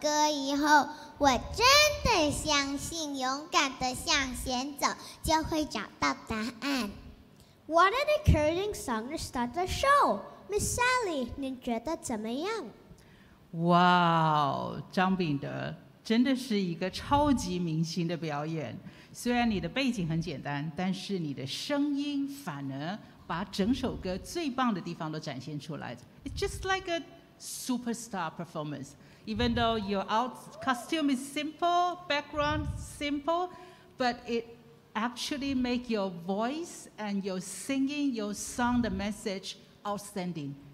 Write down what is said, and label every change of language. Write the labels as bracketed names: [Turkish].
[Chinese] 我真的相信勇敢地向前走就会找到答案。 [English] What an encouraging song to start the show! [Chinese] Miss Sally, 您觉得怎么样？哇哦，张秉德真的是一个超级明星的表演，虽然你的背景很简单，但是你的声音反而把整首歌最棒的地方都展现出来。 [English] It's just like a superstar performance. Even though your costume is simple, background simple, but it actually makes your voice and your singing, your song, the message outstanding.